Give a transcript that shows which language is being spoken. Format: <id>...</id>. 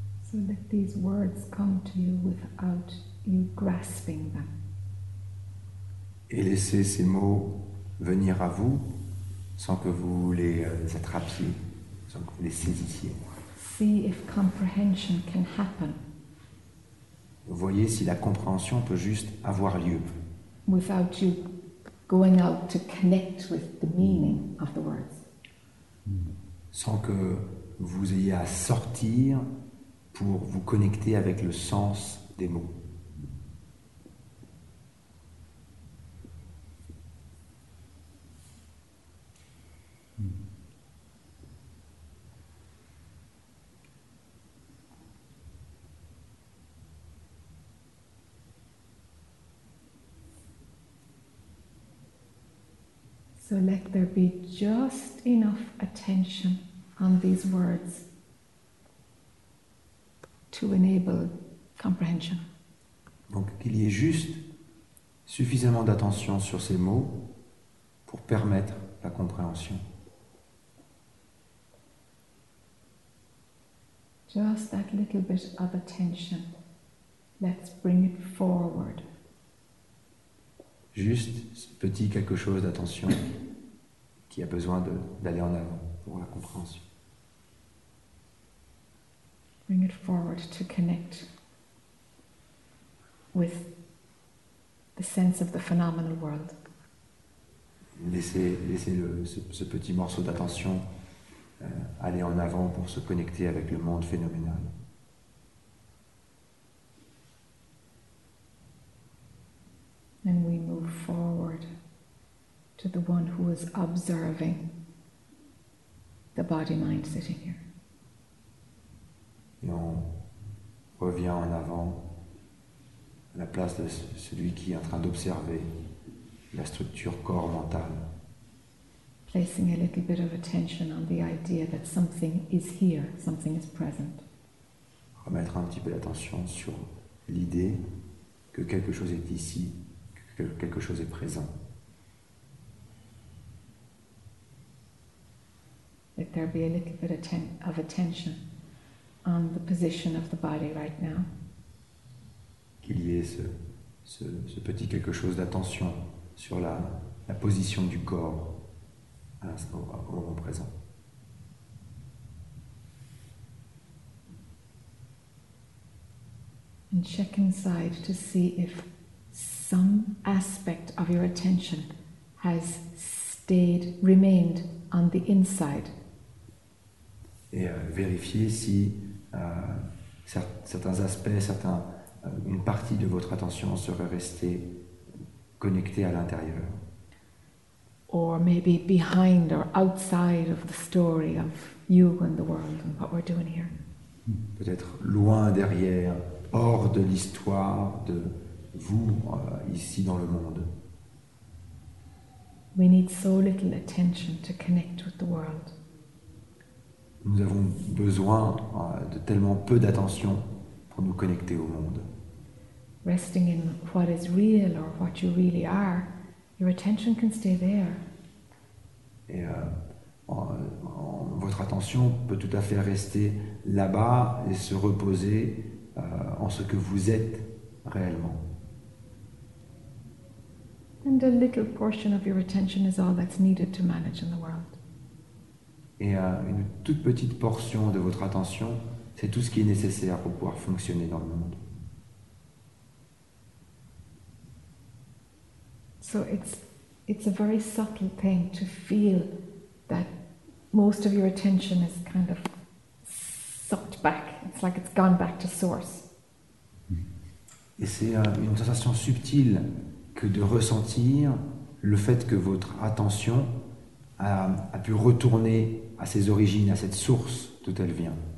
<en>So that these words come to you without you grasping them.</en> <fr>Et laissez ces mots venir à vous sans que vous les attrapiez, sans que vous les saisissiez.</fr> <en>See if comprehension can happen.</en> <fr>Voyez si la compréhension peut juste avoir lieu.</fr> <en>Without you going out to connect with the meaning of the words.</en> <fr>Sans que vous ayez à sortir pour vous connecter avec le sens des mots.</fr> <en>So let there be just enough attention on these words to enable comprehension.</en> <fr>Donc qu'il y ait juste suffisamment d'attention sur ces mots pour permettre la compréhension.</fr> <en>Just that little bit of attention. Let's bring it forward.</en> <fr>Juste ce petit quelque chose d'attention. Qui a besoin d'aller en avant pour la compréhension.</fr> <en>Bring it forward to connect with the sense of the phenomenal world.</en> <fr>Laissez ce petit morceau d'attention aller en avant pour se connecter avec le monde phénoménal.</fr> <en>And we move forward. To the one who is observing the body-mind sitting here.</en> <fr>Et on revient en avant à la place de celui qui est en train d'observer la structure corps mental.</fr> <en>Placing a little bit of attention on the idea that something is here, something is present.</en> <fr>Remettre un petit peu d'attention sur l'idée que quelque chose est ici, que quelque chose est présent.</fr> <en>Let there be a little bit of attention on the position of the body right now.</en> <fr>Qu'il y ait ce petit quelque chose d'attention sur la position du corps à l'instant, au moment présent.</fr> <en>And check inside to see if some aspect of your attention has remained on the inside.</en> <fr>Et vérifier si certains aspects, une partie de votre attention serait restée connectée à l'intérieur.</fr> <en>Or maybe behind or outside of the story of you and the world and what we're doing here.</en> <fr>Peut-être loin derrière, hors de l'histoire de vous ici dans le monde.</fr> <en>We need so little attention to connect with the world.</en> <fr>Nous avons besoin de tellement peu d'attention pour nous connecter au monde.</fr> <en>Resting in what is real or what you really are, your attention can stay there.</en> <fr>Et votre attention peut tout à fait rester là-bas et se reposer en ce que vous êtes réellement.</fr> <en>And a little portion of your attention is all that's needed to manage in the world.</en> <fr>Et une toute petite portion de votre attention, c'est tout ce qui est nécessaire pour pouvoir fonctionner dans le monde.</fr> <en>So it's a very subtle thing to feel that most of your attention is kind of sucked back. It's like it's gone back to source.</en> <fr>Et c'est une sensation subtile que de ressentir le fait que votre attention a pu retourner à ses origines, à cette source d'où elle vient.</fr>